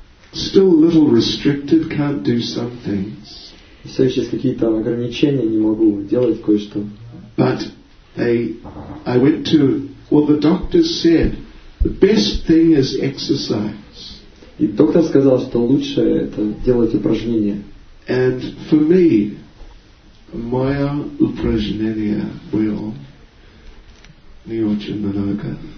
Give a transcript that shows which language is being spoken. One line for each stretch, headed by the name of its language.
English: Still a little restricted, can't do some things.
Russian: Все еще есть какие-то ограничения, не могу делать кое-что.
English: But I went to, well, the doctor said the best thing is exercise.
Russian: И доктор сказал, что лучшее это делать упражнения.
English: And for me,
Russian: моё упражнение было не очень много.